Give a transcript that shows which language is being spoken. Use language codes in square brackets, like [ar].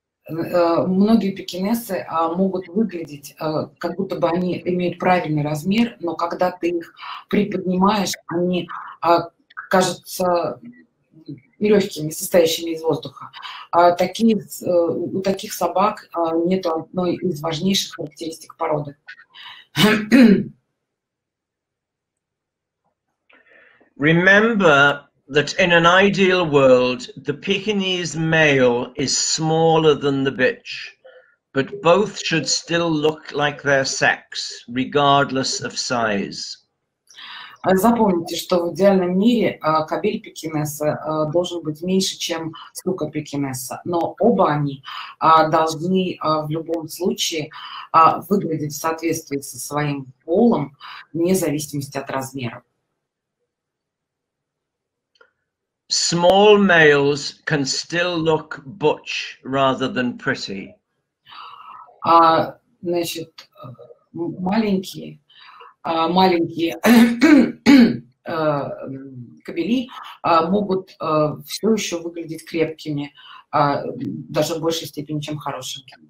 [ru] Многие пекинесы могут выглядеть, как будто бы они имеют правильный размер, но когда ты их приподнимаешь, они кажутся легкими, состоящими из воздуха. У таких собак нет одной из важнейших характеристик породы. [en] Remember that in an ideal world, the Pekingese male is smaller than the bitch, but both should still look like their sex, regardless of size. [ru] Запомните, что в идеальном мире кобель пекинеса должен быть меньше, чем слуга пекинеса. Но оба они должны в любом случае выглядеть в соответствии со своим полом, вне зависимости от размера. [en] Small males can still look butch rather than pretty. [ru] Значит, маленькие кобели могут все еще выглядеть крепкими, даже в большей степени, чем хорошими.